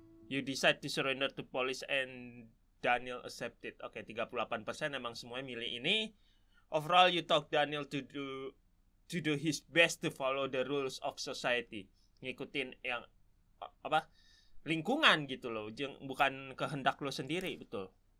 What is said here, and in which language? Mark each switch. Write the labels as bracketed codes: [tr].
[en] You decide to surrender to police and Daniel accepted. [id] Oke, okay, 38% emang semuanya milih ini. [en] Overall, you talk Daniel to do his best to follow the rules of society. [id] Ngikutin yang, apa? Lingkungan gitu loh. Bukan kehendak lo sendiri, betul.